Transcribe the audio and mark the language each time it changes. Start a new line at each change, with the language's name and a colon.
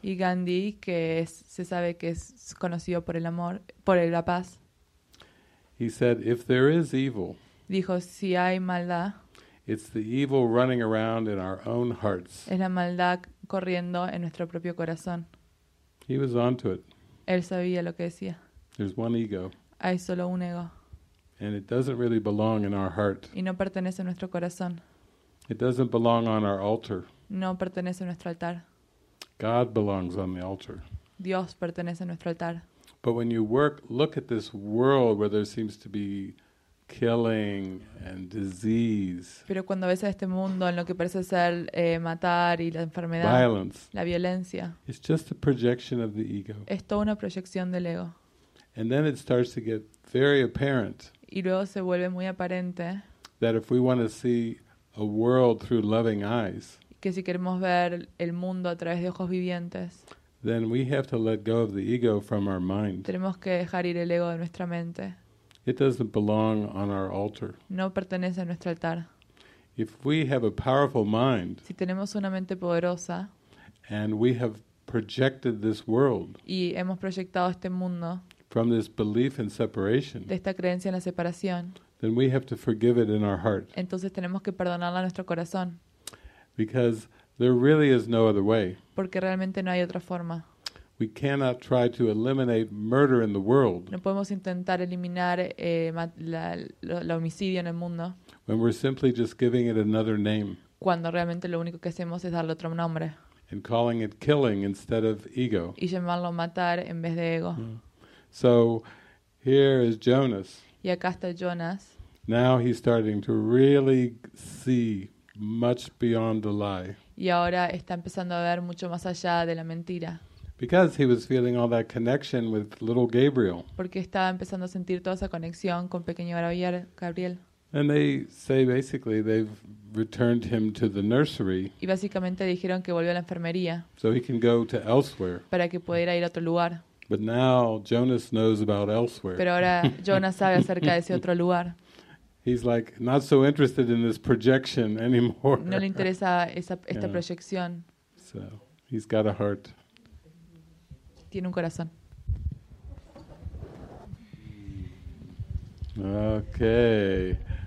Spanish: Y Gandhi, que es, se sabe que es conocido por el amor, por la paz.
English: He said, if there is evil.
Spanish: Dijo, si hay maldad.
English: It's the evil running around in our own hearts.
Spanish: Es la maldad corriendo en nuestro propio corazón.
English: He was onto it.
Spanish: Él sabía lo que decía.
English: There's one ego.
Spanish: Hay solo un ego.
English: And it doesn't really belong in our heart.
Spanish: Y no pertenece a nuestro corazón.
English: It doesn't belong on our altar.
Spanish: No pertenece a nuestro altar.
English: God belongs on the altar.
Spanish: Dios pertenece a nuestro altar.
English: But when you look at this world where there seems to be killing and disease.
Spanish: Pero cuando ves a este mundo en lo que parece ser matar y la enfermedad,
English: violence,
Spanish: la violencia,
English: it's just a projection of the ego.
Spanish: Es toda una proyección del ego.
English: And then it starts to get very apparent.
Spanish: Y luego se vuelve muy aparente.
English: That if we want to see a world through loving eyes.
Spanish: Que si queremos ver el mundo a través de ojos vivientes.
English: Then we have to let go of the ego from our mind.
Spanish: Tenemos que dejar ir el ego de nuestra mente.
English: It doesn't belong on our altar.
Spanish: No pertenece a nuestro altar.
English: If we have a powerful mind,
Spanish: si tenemos una mente poderosa,
English: and we have projected this world,
Spanish: y hemos proyectado este mundo,
English: from this belief in separation,
Spanish: de esta creencia en la separación,
English: then we have to forgive it in our heart.
Spanish: Entonces tenemos que perdonarla a nuestro corazón.
English: Because there really is no other way.
Spanish: Porque realmente no hay otra forma.
English: We cannot try to eliminate murder in the world.
Spanish: No podemos intentar eliminar la homicidio en el mundo.
English: When we're simply just giving it another name.
Spanish: Cuando realmente lo único que hacemos es darle otro nombre.
English: And calling it killing instead of ego.
Spanish: Y llamarlo matar en vez de ego.
English: So here is Jonas.
Spanish: Y acá está Jonas.
English: Now he's starting to really see much beyond the lie.
Spanish: Y ahora está empezando a ver mucho más allá de la mentira.
English: Because he was feeling all that connection with little Gabriel.
Spanish: Porque estaba empezando a sentir toda esa conexión con pequeño Gabriel.
English: And they say basically they've returned him to the nursery.
Spanish: Y básicamente dijeron que volvió a la enfermería.
English: So he can go to elsewhere.
Spanish: Para que pudiera ir a otro lugar.
English: But now Jonas knows about elsewhere.
Spanish: Pero ahora Jonas sabe acerca de ese otro lugar.
English: He's like not so interested in this projection anymore.
Spanish: No le interesa esta proyección.
English: So he's got a heart.
Spanish: Tiene un corazón.
English: Okay.